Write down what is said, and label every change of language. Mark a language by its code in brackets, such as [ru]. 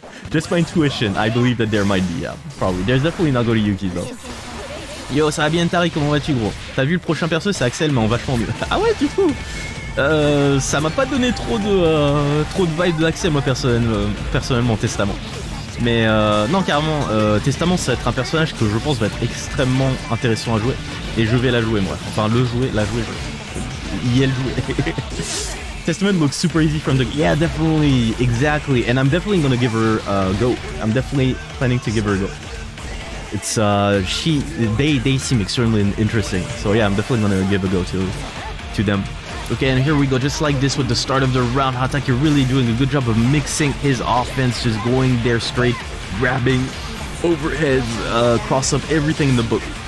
[en] Just my intuition, I believe that there might be, yeah, probably. There's definitely not going to Yuki, though. [fr] Yo, ça va bien, Tari, comment vas-tu, gros? T'as vu le prochain perso, c'est Axel, mais en vachement mieux. Ah ouais, du coup ça m'a pas donné trop de vibe d'Axel, moi, personnellement, testament. Mais non, carrément, Testament, ça va être un personnage que je pense va être extrêmement intéressant à jouer. Et je vais la jouer, moi. Enfin, le jouer, la jouer. Y elle jouer. [en] Testament looks super easy from the... Yeah, definitely. Exactly. And I'm definitely going to give her a go. I'm definitely planning to give her a go. It's, they seem extremely interesting. So yeah, I'm definitely going to give a go to them. Okay, and here we go. Just like this with the start of the round, Hataki really doing a good job of mixing his offense, just going there straight, grabbing overheads, cross up, everything in the book.